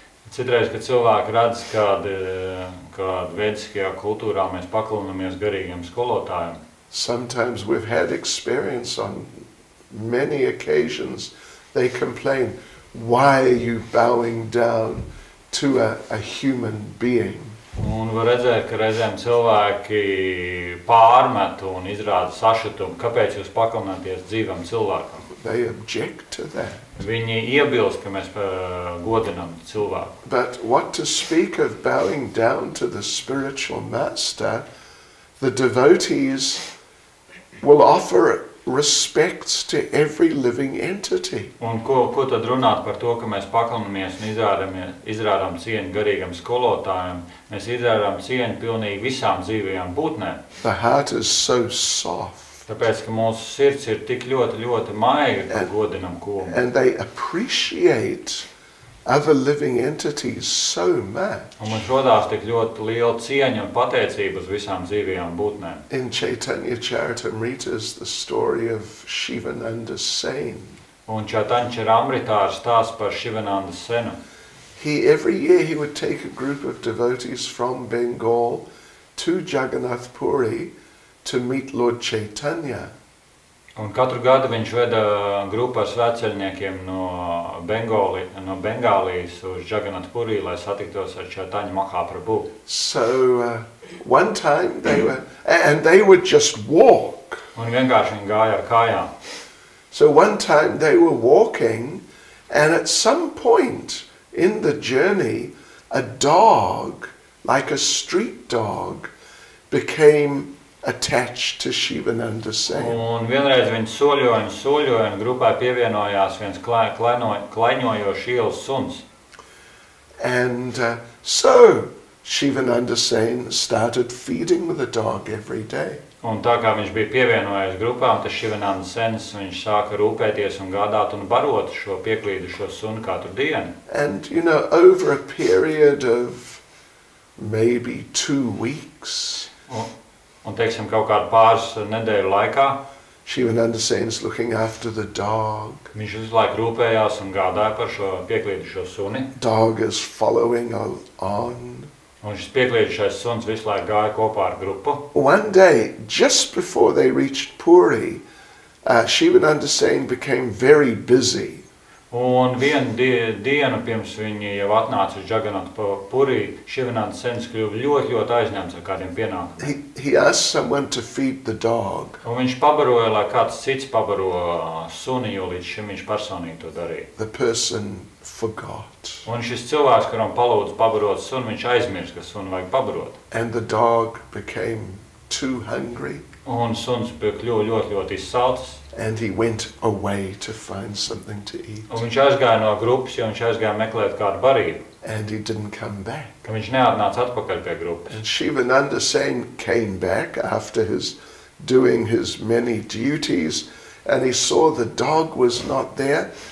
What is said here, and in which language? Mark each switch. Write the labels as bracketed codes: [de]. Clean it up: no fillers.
[lv] Citreiz, kad cilvēki redz, kad vediskajā kultūrā mēs paklūnamies garīgiem skolotājiem. [en] Sometimes we've had experience on many occasions, they complain, why are you bowing down to a human being? [lv] Un var redzēt, ka reizēm cilvēki pārmet un izrāda sašutumu, kāpēc jūs paklūnāties dzīvam cilvēkam. [en] They object to that. [lv] Viņi iebilst, ka mēs godinam cilvēku. [en] But what to speak of bowing down to the spiritual master, the devotees will offer respects to every living entity. [lv] Un ko tad runāt par to, ka mēs paklanamies un izrādām cieņu garīgam skolotājam? Mēs izrādām cieņu pilnīgi visām dzīvajām būtnēm. [en] The heart is so soft. [lv] Tāpēc, ka mūsu sirds ir tik ļoti, ļoti maiga, ka godinam kungu. [en] And they appreciate other living entities so much. [lv] Un mums rodās tik ļoti liela cieņa un pateicība uz visām dzīvajām būtnēm. [en] In Chaitanya Charitamrita is the story of Shivananda Sen. [lv] Un Chaitanya Charitamrita ir stāsts par Shivananda Senu. [en] Every year he would take a group of devotees from Bengal to Jagannath Puri to meet Lord Chaitanya. [lv] Un katru gadu viņš veda grupu ar svētceļniekiem no Bengāli, no Bengālijas uz Džaganatpurī, lai satiktos ar Čaitanja Mahāprabhu. [en] So one time they were and they would just walk. [lv] Un vienkārši viņi gāja ar kājām. [en] So one time they were walking and at some point in the journey a dog, like a street dog, became attached to Shivananda Sen. [lv] Un vienreiz viņi soļoja un soļoja un grupai pievienojās viens klaiņojošs ielas suns. [en] And so Shivananda Sen started feeding the dog every day. [lv] Un tā kā viņš bija pievienojies grupām, tas Shivananda Sens, viņš sāka rūpēties un gādāt un barot šo pieklīdušo sunu katru dienu. [en] And you know, over a period of maybe 2 weeks. [lv] Un teiksim kaut kādu pāris nedēļu laikā. [en] Shivananda Sen's looking after the dog. [lv] Viņš visu laiku rūpējās un gādāja par šo pieklīdušo suni. [en] Dog is following on. [lv] Un šis pieklīdušais suns visu laiku gāja kopā ar grupu. [en] One day, just before they reached Puri, Shivananda Sen became very busy. [lv] Un vienu dienu, pirms viņi jau atnāca uz Džaganatpurī, Shivananda Sens kļuva ļoti, ļoti aizņemts ar kādiem pienākumiem. [en] He asked someone to feed the dog. [lv] Un viņš pabaroja, lai kāds cits pabaro suni, jo līdz šim viņš personīgi to darīja. [en] The person forgot. [lv] Un šis cilvēks, kuram palūdz pabarot suni, viņš aizmirst, ka suni vajag pabarot. [en] And the dog became too hungry. [lv] Un suns kļuva ļoti, ļoti izsalcis. [en] And he went away to find something to eat. [lv] Un viņš aizgāja no grupas, jo viņš aizgāja meklēt kādu barību. [en] And he didn't come back. [lv] Un viņš neatnāca atpakaļ pie grupas. [en] And Shivananda Sen came back after his doing his many duties and he saw the dog was not there.